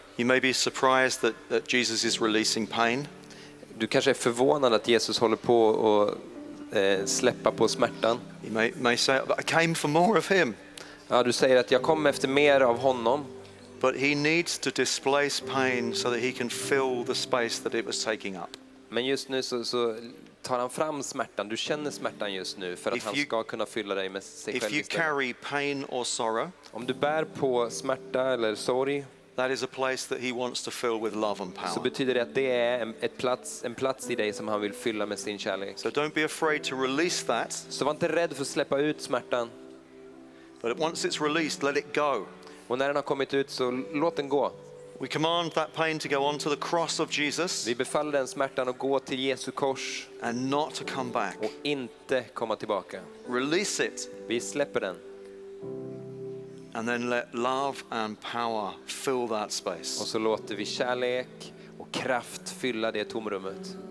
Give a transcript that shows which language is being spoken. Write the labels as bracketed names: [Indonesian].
[English] you may be surprised that Jesus is releasing pain. [Swedish] Du kanske är förvånad att Jesus håller på och släppa på smärtan. [English] You may say, I came for more of him. [Swedish] Ja, du säger att jag kom efter mer av honom. [English] But he needs to displace pain so that he can fill the space that it was taking up. [Swedish] Men just nu så tar han fram smärtan. Du känner smärtan just nu för att han ska kunna fylla dig med sig själv. [English] If you carry pain or sorrow, [Swedish] om du bär på smärta eller sorg, [English] that is a place that he wants to fill with love and power. [Swedish] Så betyder det att det är en plats i dig som han vill fylla med sin kärlek. [English] So don't be afraid to release that. [Swedish] Så var inte rädd för att släppa ut smärtan. [English] But once it's released, let it go. [Swedish] Och när den har kommit ut så låt den gå. [English] We command that pain to go onto the cross of Jesus. [Swedish] Vi befaller den smärtan att gå till Jesu kors. [English] And not to come back. [Swedish] Och inte komma tillbaka. [English] Release it. [Swedish] Vi släpper den. [English] And then let love and power fill that space. [Swedish] Och så låter vi kärlek och kraft fylla det tomrummet.